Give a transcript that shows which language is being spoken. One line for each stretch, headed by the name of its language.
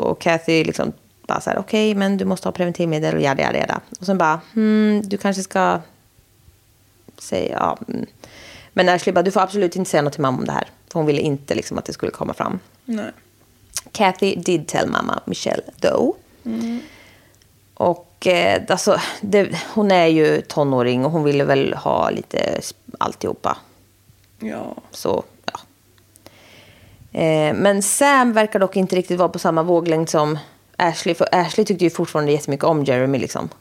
Swedish: Och Kathy liksom bara så här, okej, okay, men du måste ha preventivmedel och jada, jada. Och sen bara, du kanske ska säga, ja. Men Ashley bara, du får absolut inte säga något till mamma om det här. Hon ville inte liksom att det skulle komma fram. Nej.
English: Kathy did tell mamma Michelle though.
Swedish: Mm. Och alltså, det, hon är ju tonåring och hon ville väl ha lite alltihopa. Ja. Så, ja. Men Sam verkar dock inte riktigt vara på samma våglängd som Ashley. För Ashley tyckte ju fortfarande jättemycket om Jeremy liksom.